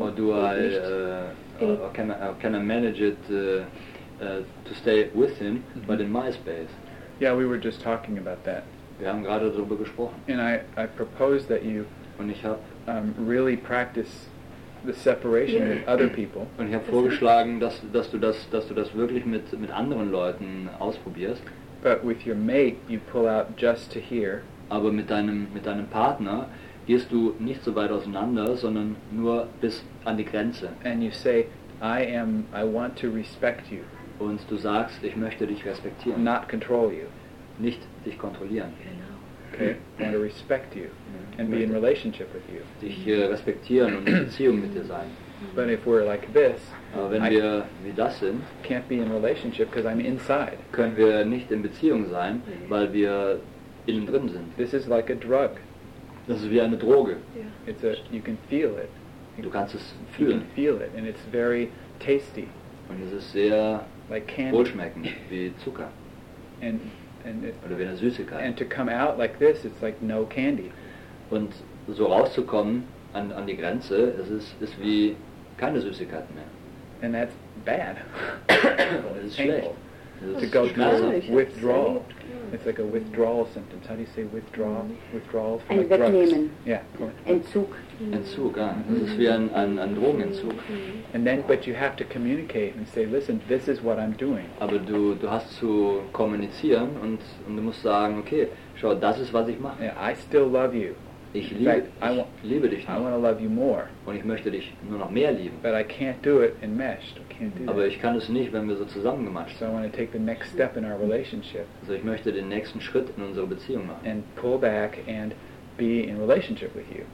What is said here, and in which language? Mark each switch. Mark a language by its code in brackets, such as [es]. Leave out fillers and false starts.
[en] Or do I, can I manage it to stay with him, mm-hmm. but in my space? Yeah, we were just talking about that. [de] Wir haben gerade darüber gesprochen. [en] And I propose that you [de] und ich hab, [en] really practice the separation with other people. [de] Und ich habe vorgeschlagen, dass du das wirklich mit anderen Leuten ausprobierst. [en] But with your mate, you pull out just to hear. [de] Aber mit deinem Partner gehst du nicht so weit auseinander, sondern nur bis an die Grenze. [en] And you say, I want to respect you. [de] Und du sagst, ich möchte dich respektieren. [en] Not control you. [de] Nicht dich kontrollieren. [en] Okay. I want to respect you and be in relationship with you. [de] Dich respektieren und in Beziehung mit dir sein. [en] But if we're like this, [de] aber wenn wir wie das sind, [en] can't be in relationship because I'm inside. [de] Können wir nicht in Beziehung sein, weil wir innen drin sind. [en] This is like a drug. [de] Das ist wie eine Droge. [en] Yeah. It's a, you can feel it. [de] Du kannst es fühlen. [en] You can feel it and it's very tasty. [de] Und es ist sehr [en] like candy. [de] Wohlschmeckend, wie Zucker. Oder wie eine Süßigkeit. [en] And to come out like this, it's like no candy. [de] Und so rauszukommen an die Grenze, es ist wie keine Süßigkeit mehr. [en] And that's bad. [de] Es ist schlecht. [en] To go through withdrawal. It's like a withdrawal symptoms. How do you say withdrawal? Withdrawal from the drugs. [de] Wegnehmen. [en] Yeah. [de] Entzug. Entzug, ja. Das ist wie ein Drogenentzug. [en] And then, but you have to communicate and say, listen, this is what I'm doing. [de] Aber du hast zu kommunizieren und du musst sagen, okay, schau, das ist, was ich mache. [en] Yeah, I still love you. [de] Ich liebe dich noch. [en] I want to love you more. [de] Und ich möchte dich nur noch mehr lieben. [en] But I can't do it enmeshed. [de] Aber ich kann es nicht, wenn wir so zusammengematscht sind. [en] So I want to take the next step in our relationship. [de] Also ich möchte den nächsten Schritt in unserer Beziehung machen. [en] And pull back and be in relationship with you.